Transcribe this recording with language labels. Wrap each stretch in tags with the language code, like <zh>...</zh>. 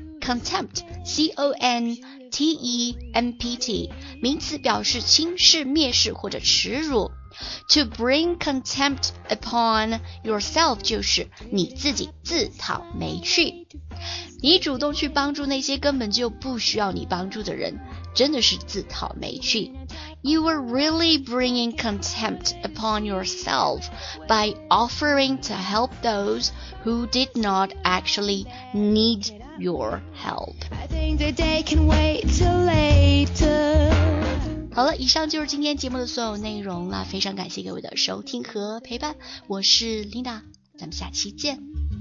<zh>contempt, contempt, 名词表示轻视、蔑视或者耻辱。</zh> <en>To bring contempt upon yourself</en> <zh>就是你自己自讨没趣。你主动去帮助那些根本就不需要你帮助的人，真的是自讨没趣。</zh> <en>You are really bringing contempt upon yourself by offering to help those who did not actually need your help. I think the day can wait till later.</en> <zh>好了，以上就是今天节目的所有内容了。非常感谢各位的收听和陪伴，我是 Linda， 咱们下期见。</zh>